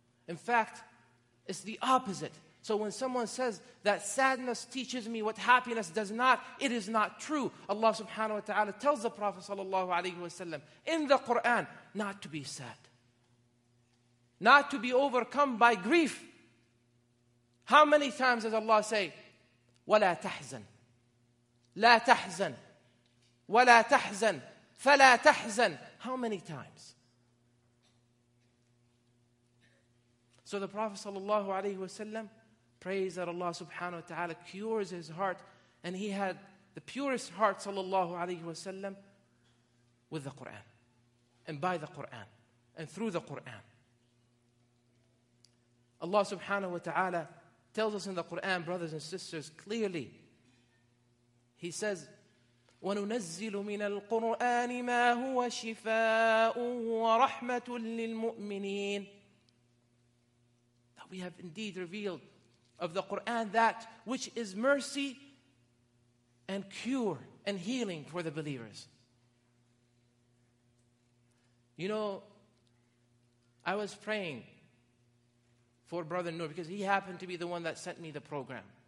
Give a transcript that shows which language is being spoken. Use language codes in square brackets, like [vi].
[en] In fact, it's the opposite. So when someone says that sadness teaches me what happiness does not, it is not true. Allah subhanahu wa ta'ala tells the Prophet sallallahu alayhi wa sallam in the Quran not to be sad. Not to be overcome by grief. How many times does Allah say, [ar] وَلَا تَحْزَنْ لَا تَحْزَنْ وَلَا تَحْزَنْ فَلَا تَحْزَنْ. [en] How many times? So the Prophet sallallahu alayhi wa sallam prays that Allah subhanahu wa ta'ala cures his heart, and he had the purest heart sallallahu alayhi wa sallam with the Qur'an and by the Qur'an and through the Qur'an. Allah subhanahu wa ta'ala tells us in the Quran, brothers and sisters, clearly. [ar] He says, وَنُنَزِّلُ مِنَ الْقُرْآنِ مَا هُوَ شِفَاءٌ وَرَحْمَةٌ لِلْمُؤْمِنِينَ. [en] That we have indeed revealed of the Quran that which is mercy and cure and healing for the believers. You know, I was praying for Brother Noor, because he happened to be the one that sent me the program.